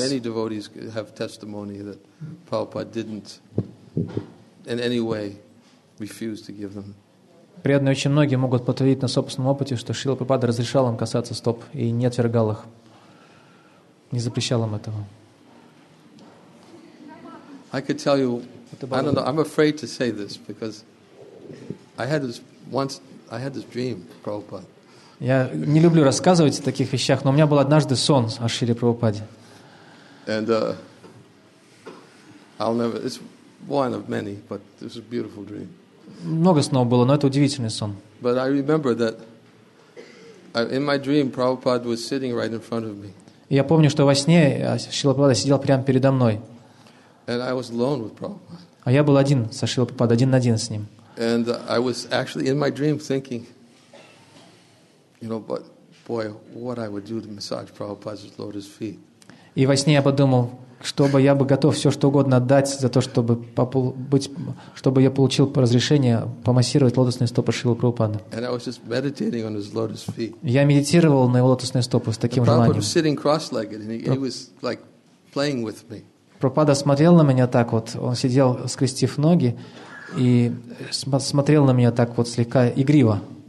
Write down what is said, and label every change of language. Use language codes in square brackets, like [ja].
[en] Many devotees have testimony that Prabhupada didn't in any way refuse to give them. [ru] Преданные очень многие могут подтвердить на собственном опыте, что Шрила Прабхупада разрешал им касаться стоп и не отвергал их, не запрещал им этого. [en] I could tell you, I don't know, I'm afraid to say this because I had this dream, Prabhupada. [ru] Я не люблю рассказывать о таких вещах, но у меня был однажды сон о Шриле Прабхупаде. [en] And it's one of many, but it was a beautiful dream. [ru] Много снов было, но это удивительный сон. [en] But I remember that in my dream Prabhupada was sitting right in front of me. [ru] Я помню, что во сне Шрила Прабхупада сидел прямо передо мной. [en] And I was alone with Prabhupada. [ru] А я был один со Шрилой Прабхупадой, один на один с ним. [en] And I was actually in my dream thinking, you know, but boy, what I would do to massage Prabhupada's lotus feet. [ru] И во сне я подумал, чтобы я бы готов все что угодно отдать за то, чтобы чтобы я получил разрешение помассировать лотосные стопы Шрилы Прабхупады. [en] And I was just meditating on his lotus feet. [ru] Я медитировал на его лотосные стопы с таким [en] Prabhupada Was sitting cross-legged, and he was like playing with me. [ru] Прабхупада смотрел на меня так вот. Он сидел, скрестив ноги, и смотрел на меня так вот слегка игриво.